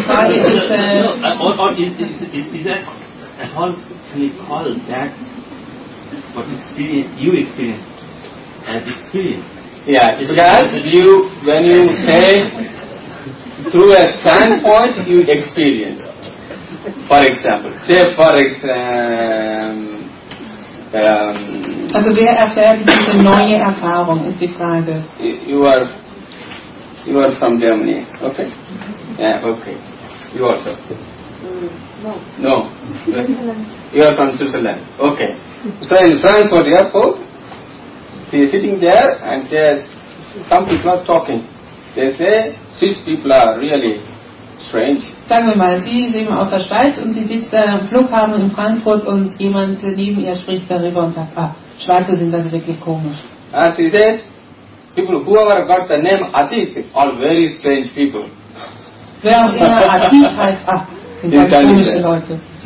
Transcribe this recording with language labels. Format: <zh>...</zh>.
<en>no, or is that at all, can you call that what experience you experienced as experience? Yeah, is because it, you, when you say through a standpoint, you experience. For example, say for example,</en> <de>also wer erfährt diese neue Erfahrung, ist die Frage.</de> <en>You are from Germany, okay? Yeah, okay. You also? No. No. Switzerland. You are from Switzerland, okay. So in Frankfurt Airport, she is sitting there and there's some people are talking. They say, Swiss people are really strange.</en> <de>Sagen wir mal, sie ist eben aus der Schweiz und sie sitzt da am Flughafen in Frankfurt und jemand neben ihr spricht darüber und sagt, ah, Schweizer sind das wirklich komisch.</de> <en>And she said, people whoever got the name Atit are very strange people.</en> <de>Wer auch immer Atit heißt, ah, sind ganz komische Leute.</de>